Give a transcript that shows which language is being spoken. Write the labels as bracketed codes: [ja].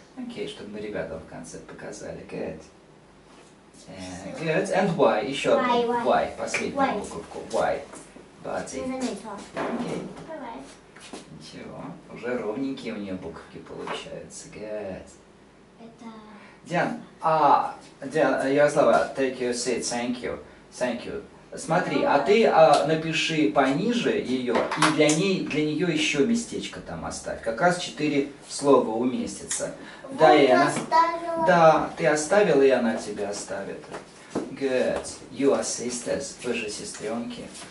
[ru] Окей, чтобы мы ребятам в конце показали. [en] Good. Good. And why? [ru] Еще одну. [en] Why. [ru] Последнюю буковку. Why. Бади. Я заметила. Окей. Ничего. Уже ровненькие у нее буковки получаются. [en] Good. Диана, Ярослава, take your seat, thank you. Thank you. [ru] Смотри, а ты напиши пониже ее, и для нее еще местечко там оставь. Как раз четыре слова уместится. Вот да, я оставила. Да, ты оставила, и она тебя оставит. [en] Good. You are sisters. [ru] Вы же сестренки.